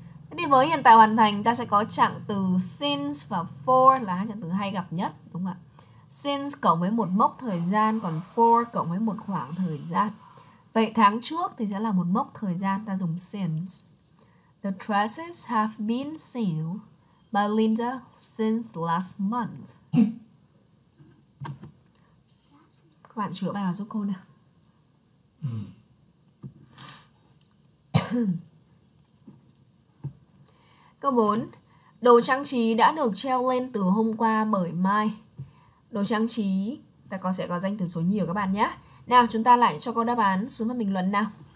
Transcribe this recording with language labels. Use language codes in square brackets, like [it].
[vi] Thế thì với hiện tại hoàn thành ta sẽ có trạng từ since và for là hai trạng từ hay gặp nhất, đúng không ạ? Since cộng với một mốc thời gian, còn for cộng với một khoảng thời gian. Vậy tháng trước thì sẽ là một mốc thời gian, ta dùng since. [en] The dresses have been sealed by Linda since last month. [vi] Các bạn chữa bài vào giúp cô nè. Câu 4. Đồ trang trí đã được treo lên từ hôm qua bởi Mai. Đồ trang trí, ta có sẽ có danh từ số nhiều các bạn nhé. Nào, chúng ta lại cho câu đáp án xuống phần bình luận nào.